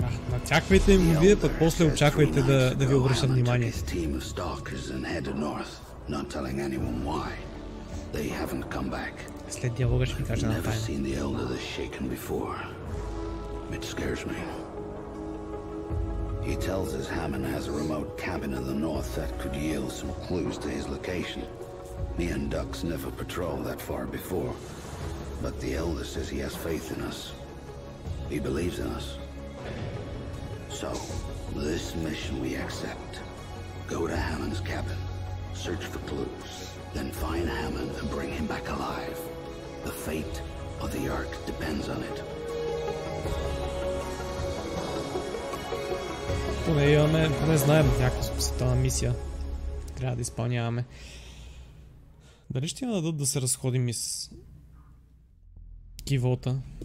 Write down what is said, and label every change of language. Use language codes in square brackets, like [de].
[bg] Натяквайте им вие, пък после очаквайте да ви обръщат внимание. [en] His team of stalkers and headed north, not telling anyone why. They haven't come back. [bg] След диалога ще ми кажа на тайна. [en] I've never seen the Elder this shaken before. It scares me. He tells us Hammond has a remote cabin in the north that could yield some clues to his location. Me and Dux never patrolled that far before. But the Elder says he has faith in us. He believes in us. So, this mission we accept. Go to Hammond's cabin. Search for clues. Then find Hammond and bring him back alive. The fate of the Ark depends on it. [bg] Поне имаме, поне знаем някаква специална мисия. Трябва да изпълняваме. Дали ще ни дадат да се разходим из кивота?